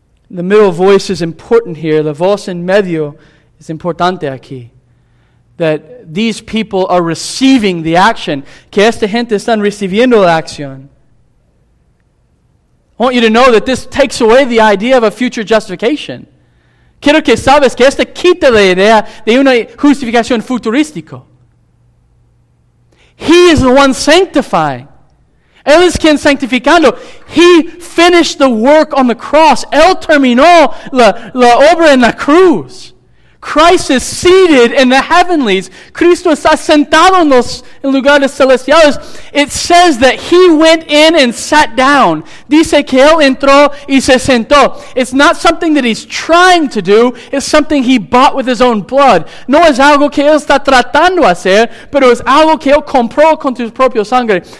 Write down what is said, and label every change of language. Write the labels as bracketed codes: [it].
[en] The middle voice is important here. [es] La voz en medio es importante aquí. [en] That these people are receiving the action. [es] Que esta gente están recibiendo la acción. [en] I want you to know that this takes away the idea of a future justification. [es] Quiero que sabes que esta quita la idea de una justificación futurística. [en] He is the one sanctifying. [es] Él es quien sanctificando. [en] He finished the work on the cross. [es] Él terminó la obra en la cruz. [en] Christ is seated in the heavenlies. [es] Cristo está sentado en lugares celestiales. [en] It says that He went in and sat down. [es] Dice que Él entró y se sentó. [en] It's not something that He's trying to do. It's something He bought with His own blood. [es] No es algo que Él está tratando de hacer, pero es algo que Él compró con su propio sangre.